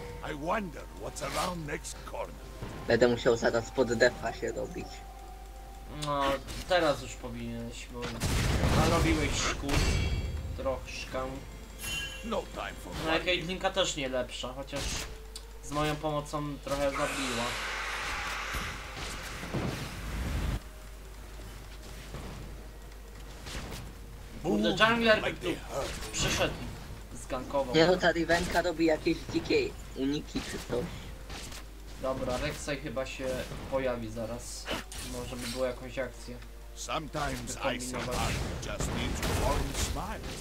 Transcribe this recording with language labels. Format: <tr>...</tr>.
<en>I wonder what's around next corner.</en> <pl>Będę musiał zaraz pod defa się robić. No, teraz już powinieneś, bo narobiłeś szkód. Troszkę.</pl> <en>No time for.</en> <pl>No, Caitlynka też nie lepsza, chociaż z moją pomocą trochę zabiła. Kurde, jungler przyszedł. Zgankował. Nie, to ta Rivenka robi jakieś dzikie uniki czy coś. Dobra, Rek'Sai chyba się pojawi zaraz. Może by było jakąś akcję.</pl> <en>Sometimes I just need to warm smile.</en>